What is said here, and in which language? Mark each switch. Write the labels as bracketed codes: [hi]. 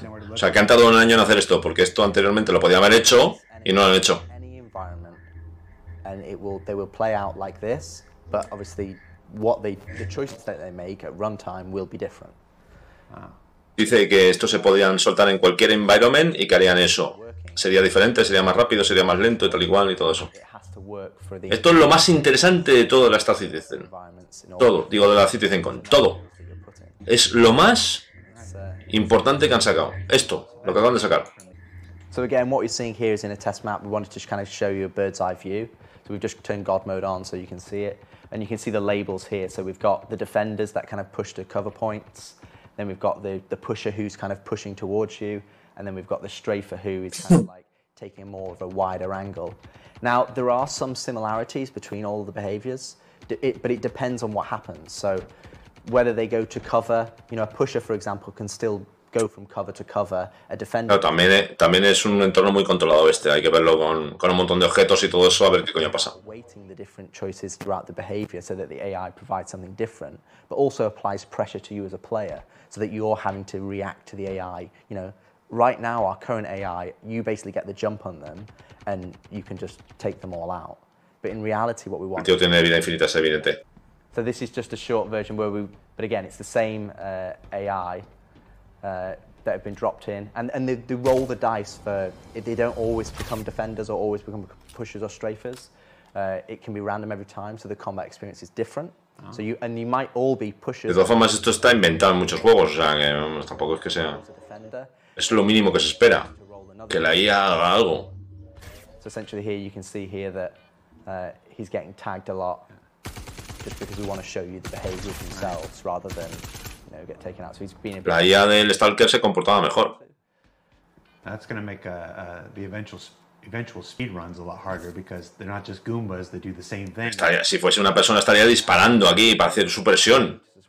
[es] O sea, que han tardado un año en hacer esto, porque esto anteriormente lo podían haber hecho y no lo han hecho. [en] And it will, they will play out like this, but obviously, what they, the choices that they make at runtime will be different. [es] Dice que esto se podrían soltar en cualquier environment y que harían eso. Sería diferente, sería más rápido, sería más lento y tal y cual y todo eso. Esto es lo más interesante de toda la Star Citizen. Todo, digo, de la CitizenCon, todo. Es lo más importante que han sacado. Esto, lo que acaban de sacar. [en] So again, what you're seeing here is in a test map. We wanted to just kind of show you a bird's eye view. So we've just turned God mode on so you can see it. And you can see the labels here. So we've got the defenders that kind of push to cover points. Then we've got the pusher who's kind of pushing towards you, and then we've got the strafer who is kind of like taking more of a wider angle. Now, there are some similarities between all of the behaviors, but it depends on what happens. So whether they go to cover, you know, a pusher, for example, can still go from cover to cover. A defender... [es] Claro, también es un entorno muy controlado este. Hay que verlo con un montón de objetos y todo eso, a ver qué coño pasa. [en] ...weighting the different choices throughout the behavior so that the AI provides something different, but also applies pressure to you as a player. So that you're having to react to the AI. You know, right now our current AI, you basically get the jump on them, and you can just take them all out. But in reality, what we want. [es] El tío tiene vida infinita, es evidente. [en] So this is just a short version where we, but again, it's the same AI that have been dropped in, and they roll the dice for. They don't always become defenders or always become pushers or strafers. It can be random every time, so the combat experience is different. So you, and you might all be pushers. [es] De todas formas, esto está inventado en muchos juegos, o sea, que tampoco es que sea... Es lo mínimo que se espera, que la IA haga algo. [en] So essentially here you can see here that he's getting tagged a lot, just because we want to show you the behaviors themselves rather than, you know, get taken out. So he's been a bit... [es] La IA del Stalker se comportaba mejor. [en] That's going to make the eventual speed runs a lot harder because they're not just goombas that do the same thing. [es] Estaría, si fuese una persona estaría disparando aquí para hacer su presión.